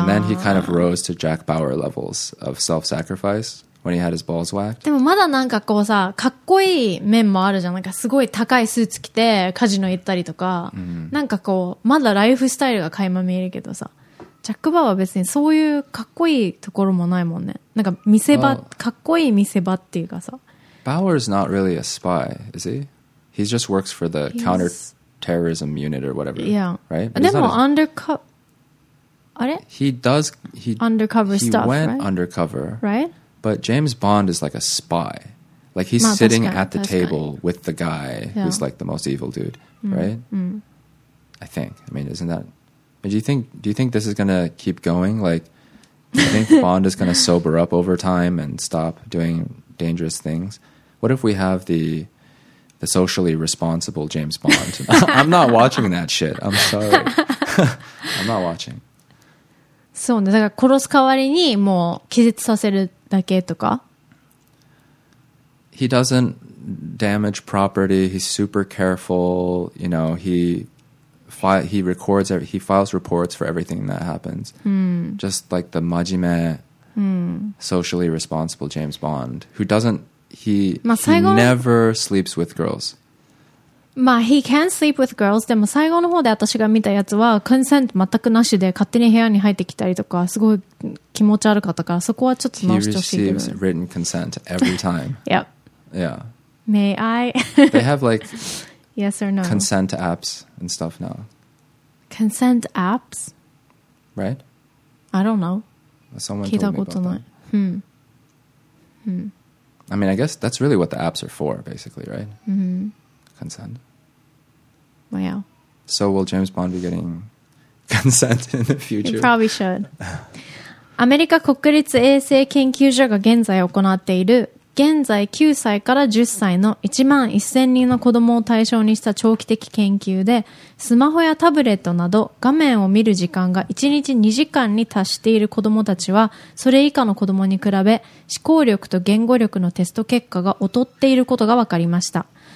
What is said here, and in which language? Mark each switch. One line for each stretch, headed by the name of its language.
English: And then he kind of rose to Jack Bauer levels of self-sacrifice when he had his balls whacked.
Japanese: でもまだなんかこうさ、かっこいい面もあるじゃん。なんかすごい高いスーツ着てカジノ行ったりとか、なんかこうまだライフスタイルが垣間見えるけどさ、ジャック・バーは別にそういうかっこいいところもないもんね。なんか見せ場、かっこいい見せ場っていうかさ。
English: Bauer is not really a spy, is he? He just works for the counter terrorism unit or whatever. Yeah. Right?
Japanese: でも undercover, あれ?
English: He does, he undercover stuff, went right? undercover. Right? But James Bond is like a spy. Like he's sitting at the table with the guy who's like the most evil dude, right? I think. I mean, isn't that... Do you think this is going to keep going? Like, do you think Bond is going to sober up over time and stop doing dangerous things? What if we have the socially responsible James Bond? I'm not watching that shit. I'm sorry. I'm not watching.
Japanese: そうね。だから殺す代わりにもう気絶させるだけとか?
English: He doesn't damage property. He's super careful. You know, he files reports for everything that happens. Just like the 真面目, socially responsible James Bond, who doesn't, he never sleeps with girls. まあ、he can sleep with girls.
Japanese: でも最後の方で私が見たやつは、consent 全くなしで勝手に部屋に入ってきたりとか、すごい、気持ち悪かったからそこはちょっと直してほしいけど。
English: He receives written consent every time. Yep. Yeah. May I? They have like yes or no consent apps and stuff now. Consent apps? Right? I don't know. Someone
Japanese: 聞いたことない。 Hmm.
English: I mean, I guess that's really what the apps are for, basically, right? Mm-hmm. Consent. Well, yeah. So will James Bond be getting consent in the future? He probably should.
Japanese: アメリカ国立衛生研究所が現在行っている現在9歳から10歳の1万1000人の子供を対象にした長期的研究でスマホやタブレットなど画面を見る時間が1日2時間に達している子供たちはそれ以下の子供に比べ思考力と言語力のテスト結果が劣っていることが分かりました。